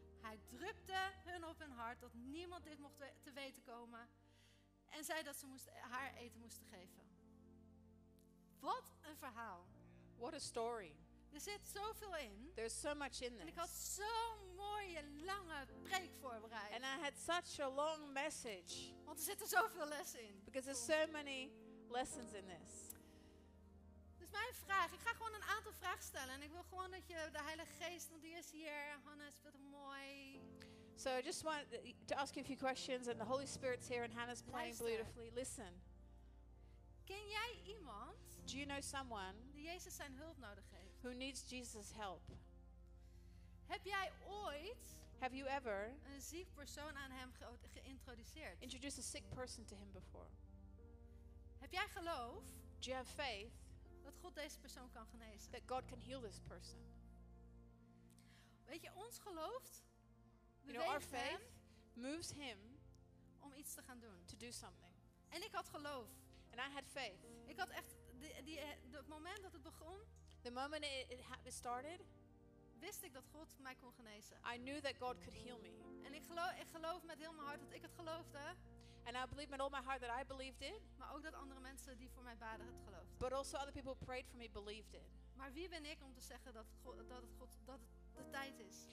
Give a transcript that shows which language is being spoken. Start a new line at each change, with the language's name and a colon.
Dutch: Hij drukte hun op hun hart dat niemand dit mocht te weten komen. En zei dat ze haar eten moesten geven. Wat een verhaal.
English: What a story.
Dutch: Er zit zoveel in.
English: There's so much in this.
Dutch: En ik had zo'n mooie lange preek voorbereid.
English: And I had such a long message.
Dutch: Want er zitten zoveel lessen in.
English: Because there's so many lessons in this.
Dutch: Dus mijn vraag, ik ga gewoon een aantal vragen stellen. En ik wil gewoon dat je de Heilige Geest, want die is hier. Hannah speelt een mooi.
English: So I just want to ask you a few questions. And the Holy Spirit's here and Hannah's playing beautifully. Listen.
Dutch: Ken jij iemand?
English: Do you know someone?
Dutch: Die Jezus zijn hulp nodig heeft.
English: Who needs Jesus' help?
Dutch: Heb jij ooit?
English: Have you ever?
Dutch: Een ziek persoon aan hem geïntroduceerd?
English: Introduced a sick person to him before.
Dutch: Heb jij geloof?
English: Do you have faith?
Dutch: Dat God deze persoon kan genezen.
English: That God can heal this person.
Dutch: Weet je, ons geloof.
English: You know, our faith moves him
Dutch: om iets te gaan doen.
English: To do something.
Dutch: En ik had geloof.
English: And I had faith.
Dutch: Ik had echt het moment dat het begon.
English: The moment it started.
Dutch: Wist ik dat God mij kon genezen.
English: I knew that God could heal me.
Dutch: En ik geloof met heel mijn hart dat ik het geloofde.
English: And I believe with all my heart that I believed it.
Dutch: Maar ook dat andere mensen die voor mij baden het geloofden.
English: But also other people who prayed for me believed it.
Dutch: Maar wie ben ik om te zeggen dat God dat het de tijd is.